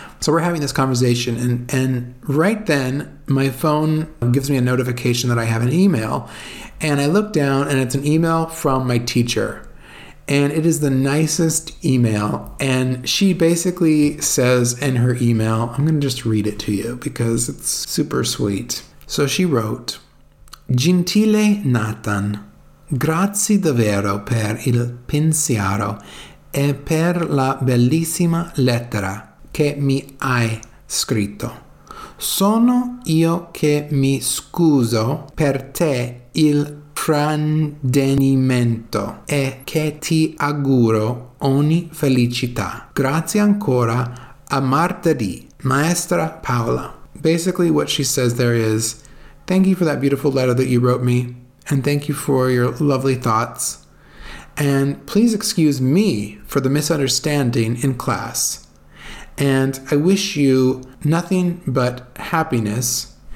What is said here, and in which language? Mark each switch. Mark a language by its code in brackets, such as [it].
[en] So we're having this conversation, and right then my phone gives me a notification that I have an email, and I look down and it's an email from my teacher, and it is the nicest email. And she basically says in her email, I'm going to just read it to you because it's super sweet. So she wrote, [it] Gentile Nathan, grazie davvero per il pensiero e per la bellissima lettera che mi hai scritto. Sono io che mi scuso per te il frandenimento e che ti auguro ogni felicità. Grazie ancora, a martedì, Maestra Paola. [en] Basically what she says there is, thank you for that beautiful letter that you wrote me, and thank you for your lovely thoughts, and please excuse me for the misunderstanding in class. And I wish you nothing but happiness.